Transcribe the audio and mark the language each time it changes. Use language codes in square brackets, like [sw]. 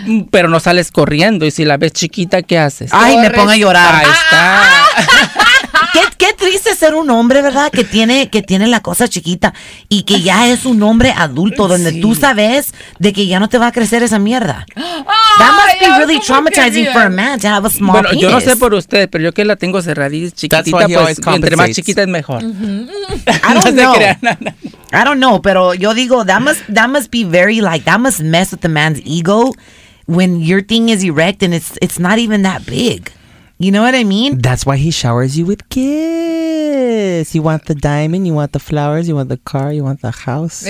[es] Pero no sales corriendo, y si la ves chiquita, ¿qué haces? Ay, me pongo a llorar. Ahí está. Qué triste ser un hombre, ¿verdad? Que tiene la cosa chiquita y que ya es un hombre adulto donde sí. Tú sabes de que ya no te va a crecer esa mierda. [en] That must be really traumatizing for a man to have a small penis. [es] Bueno, yo no sé por usted, pero yo que la tengo cerradita y chiquitita, pues entre más chiquita es mejor. Mm-hmm. [en] I don't know, [es] pero yo digo, [en] that must be very like, that must mess with the man's ego when your thing is erect and it's not even that big. You know what I mean? That's why he showers you with kiss. You want the diamond, you want the flowers, you want the car, you want the house.